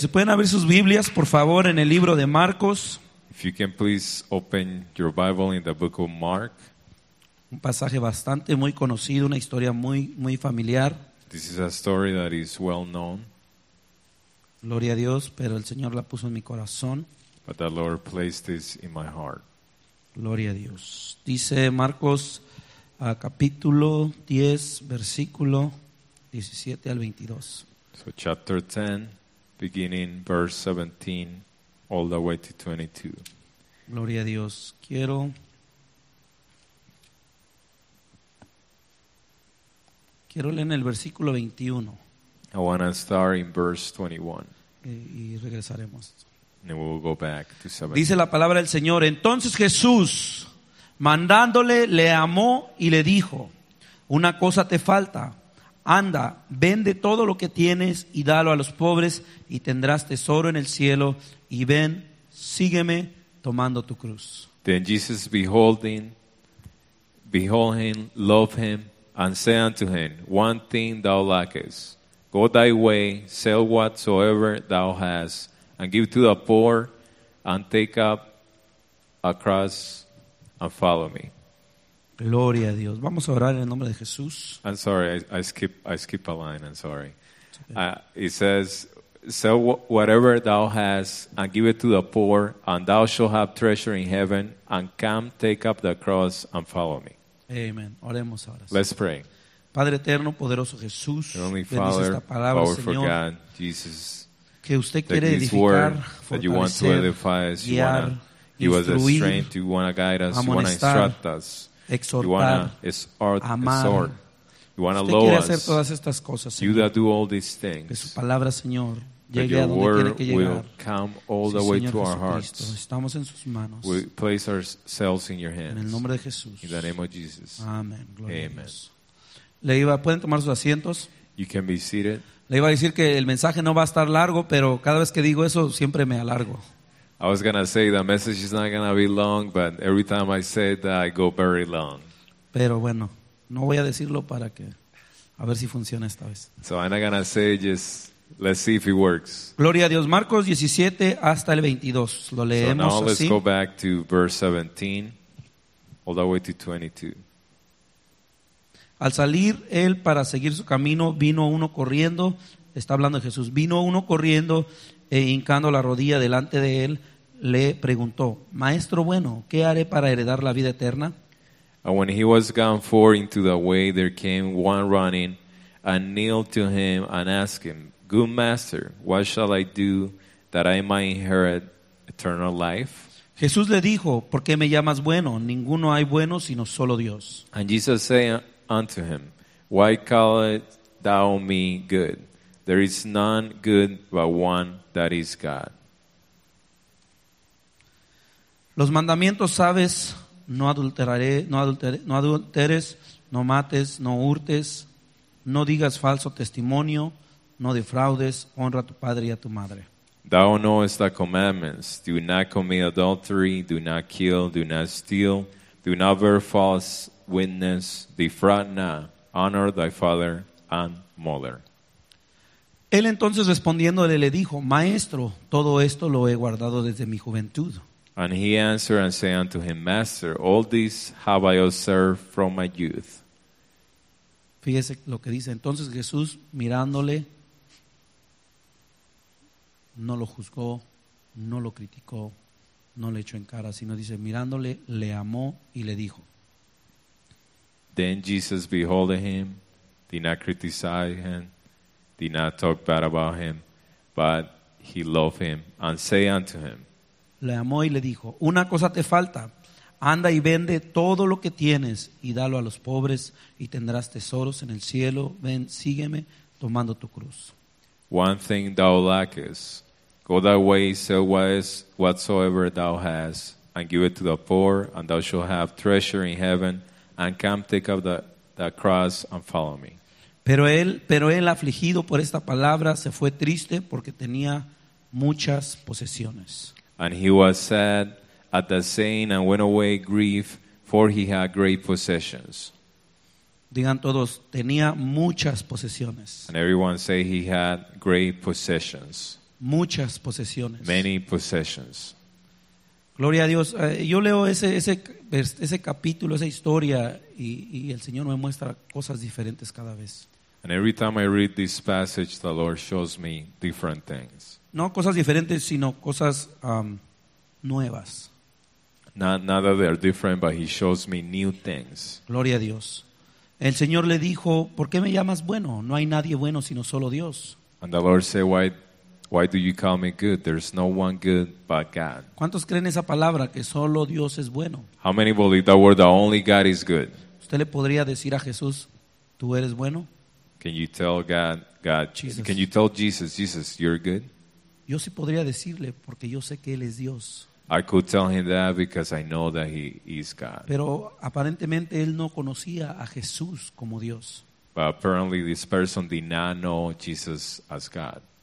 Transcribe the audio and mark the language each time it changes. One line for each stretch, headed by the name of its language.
Spanish: ¿Se pueden abrir sus Biblias, por favor, en el libro de Marcos?
English: If you can please open your Bible in the book of Mark.
Spanish: Un pasaje bastante muy conocido, una historia muy muy familiar.
English: This is a story that is well known.
Spanish: Gloria a Dios, pero el Señor la puso en mi corazón.
English: But the Lord placed this in my heart.
Spanish: Gloria a Dios. Dice Marcos capítulo 10, versículo 17 al 22.
English: So chapter 10, beginning verse 17, all the way to 22.
Spanish: Gloria a Dios. Quiero leer en el versículo 21.
English: I want to start in verse 21.
Spanish: Y regresaremos.
English: And we'll go back to 17.
Spanish: Dice la palabra del Señor: entonces Jesús, mandándole, le amó y le dijo: una cosa te falta. Anda, vende todo lo que tienes y dalo a los pobres y tendrás tesoro en el cielo. Y ven, sígueme tomando tu cruz.
English: Then Jesus behold him, love him, and say unto him, one thing thou lackest. Go thy way, sell whatsoever thou hast, and give to the poor, and take up a cross and follow me.
Spanish: Gloria a Dios. Vamos a orar en el nombre de Jesús.
English: I'm sorry, I skip a line. I'm sorry. Okay. It says, sell whatever thou hast and give it to the poor, and thou shalt have treasure in heaven, and come, take up the cross and follow me.
Spanish: Amen. Oremos ahora.
English: Let's pray.
Spanish: Padre eterno, poderoso Jesús, bendice esta palabra, Señor.
English: God, Jesus,
Spanish: que usted quiere edificar,
English: word,
Spanish: fortalecer, guiar, instruir, amonestar, exhortar, amar. Usted quiere hacer todas estas cosas, Señor. Que su palabra, Señor, llegue a donde tiene que llegar.
English: Will come all the way to our hearts.
Spanish: Estamos en sus manos.
English: We place ourselves in your hands.
Spanish: En el nombre de Jesús.
English: In the name of Jesus.
Spanish: Amen. Gloria a Dios. Le iba, pueden tomar sus asientos.
English: You can be seated.
Spanish: Le iba a decir que el mensaje no va a estar largo, pero cada vez que digo eso siempre me alargo.
English: I was going to say the message is not going to be long, but every time I say that I go very long.
Spanish: Pero bueno, no voy a decirlo para que a ver si funciona esta vez.
English: So I'm not going to say, just let's see if it works.
Spanish: Gloria a Dios. Marcos 17 hasta el 22. Lo leemos así.
English: So now
Spanish: así.
English: Let's go back to verse 17, all the way to 22.
Spanish: Al salir él para seguir su camino, vino uno corriendo, está hablando de Jesús, vino uno corriendo e hincando la rodilla delante de él, le preguntó: maestro bueno, ¿qué haré para heredar la vida eterna?
English: And when he was gone forth into the way, there came one running and kneeled to him and asked him, good master, what shall I do that I might inherit eternal life?
Spanish: Jesús le dijo: ¿por qué me llamas bueno? Ninguno hay bueno sino solo Dios.
English: And Jesus said unto him, why callest thou me good? There is none good but one, that is God.
Spanish: Los mandamientos sabes: no adulteraré, no adulteres, no mates, no hurtes, no digas falso testimonio, no defraudes, honra a tu padre y a tu madre.
English: Thou knowest the commandments: do not commit adultery, do not kill, do not steal, do not bear false witness, defraud not, honor thy father and mother.
Spanish: Él entonces respondiéndole le dijo: maestro, todo esto lo he guardado desde mi juventud.
English: And he answered and said unto him, master, all this have I observed from my youth.
Spanish: Fíjese lo que dice. Entonces Jesús mirándole no lo juzgó, no lo criticó, no le echó en cara, sino dice, mirándole le amó y le dijo.
English: Then Jesus beholding him did not criticize him, did not talk bad about him, but he loved him and say unto him,
Spanish: le amó y le dijo, una cosa te falta, anda y vende todo lo que tienes y dalo a los pobres y tendrás tesoros en el cielo, ven, sígueme tomando tu cruz.
English: One thing thou lackest, go thy way, sell whatsoever thou hast, and give it to the poor, and thou shalt have treasure in heaven, and come, take up the cross and follow me.
Spanish: Pero él, afligido por esta palabra, se fue triste porque tenía muchas posesiones.
English: And he was sad at the saying and went away grieved, for he had great possessions.
Spanish: Digan todos, tenía muchas posesiones.
English: And everyone say he had great possessions.
Spanish: Muchas posesiones.
English: Many possessions.
Spanish: Gloria a Dios. Yo leo ese capítulo, esa historia, y el Señor me muestra cosas diferentes cada vez.
English: And every time I read this passage, the Lord shows me different things.
Spanish: No cosas diferentes, sino cosas nuevas.
English: Not that they are different, but he shows me new things.
Spanish: Gloria a Dios. El Señor le dijo, ¿por qué me llamas bueno? No hay nadie bueno, sino solo Dios.
English: And the Lord said, why do you call me good? There's no one good but God.
Spanish: ¿Cuántos creen esa palabra, que solo Dios es bueno?
English: How many believe that word, that only God is good?
Spanish: ¿Usted le podría decir a Jesús, tú eres bueno?
English: Can you tell God, Jesus. Can you tell Jesus, you're good?
Spanish: Yo sí podría decirle, porque yo sé que Él es Dios.
English: I could tell him that because I know that he is God.
Spanish: Pero aparentemente él no conocía a Jesús como Dios.
English: But apparently this person did not know Jesus as God.